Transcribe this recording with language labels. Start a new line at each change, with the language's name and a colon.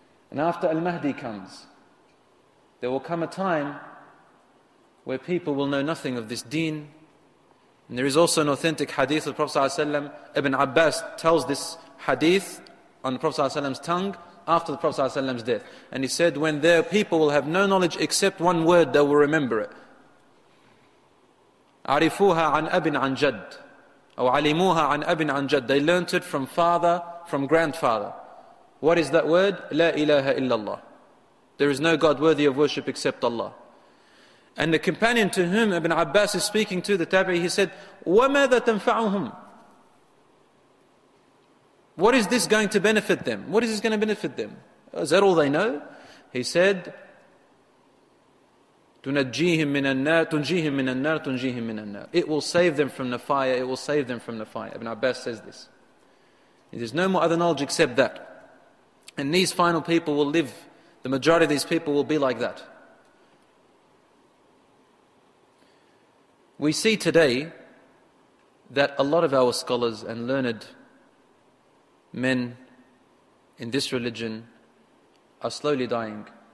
English: And after Al-Mahdi comes, there will come a time where people will know nothing of this deen. And there is also an authentic hadith of the Prophet ﷺ. Ibn Abbas tells this hadith on the Prophet ﷺ's tongue after the Prophet's death. And he said, when their people will have no knowledge except one word, they will remember it.
Arabic: عرفوها عن أبن عن جد أو علموها عن أبن عن جد.
English: They learnt it from father, from grandfather. What is that word?
Arabic: لا إله إلا الله.
English: There is no God worthy of worship except Allah. And the companion to whom Ibn Abbas is speaking to, the Tabi'i, he said,
Arabic: وَمَاذَا تَنْفَعُهُمْ.
English: What is this going to benefit them? What is this going to benefit them? Is that all they know? He said,
Arabic: تُنَجِّيهِمْ مِنَ النَّارِ.
English: It will save them from the fire, it will save them from the fire. Ibn Abbas says this. There's no more other knowledge except that. And these final people will live, the majority of these people will be like that. We see today that a lot of our scholars and learned men in this religion are slowly dying.